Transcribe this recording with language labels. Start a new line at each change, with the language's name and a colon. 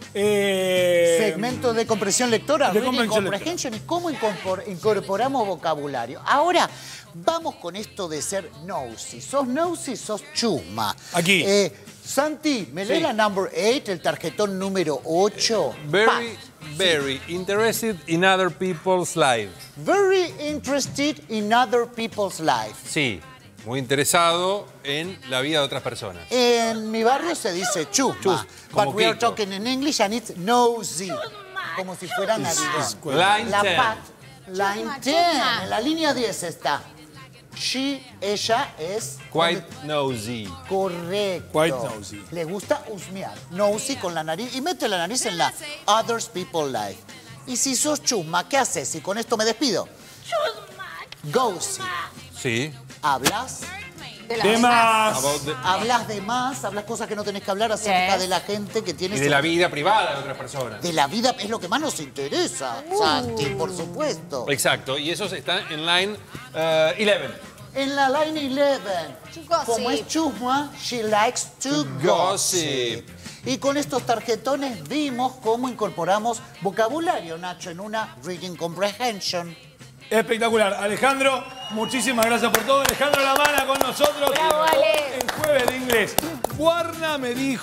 Spanish: segmento de comprensión lectora. De comprensión lectora. ¿Cómo incorporamos vocabulario? Ahora, vamos con esto de ser nosy. ¿Sos nosy? ¿Sos chusma? Aquí. Santi, ¿me lee la number 8, el tarjetón número 8?
English: Very interested in other people's lives. Very interested in other people's lives.
Spanish: Sí, muy interesado en la vida de otras personas. En mi barrio se dice chusma.
English: But we are talking in English and it's nosy.
Spanish: Como si fuera Navidad.
English: Line 10.
Spanish: La línea 10 está. She, ella, es...
English: Quite nosy.
Spanish: Correcto.
English: Quite nosy.
Spanish: Le gusta husmear. Nosy con la nariz. Y mete la nariz en la
English: other people's life.
Spanish: Y si sos chusma, ¿qué haces? Y con esto me despido. Chusma. Gosy. Sí. Hablas... De más. Hablas de más, hablas cosas que no tenés que hablar acerca de la gente que tienes... Y de la vida privada de otras personas. De la vida, es lo que más nos interesa, Santi, por supuesto. Exacto, y eso está en
English: line 11.
Spanish: En la line 11. Como es chusma,
English: she likes to gossip.
Spanish: Y con estos tarjetones vimos cómo incorporamos vocabulario, Nacho, en una reading comprehension. Espectacular. Alejandro, muchísimas gracias por todo. Alejandro Lamana con nosotros. Bravo, Ale. En Jueves de Inglés. Guarna me dijo.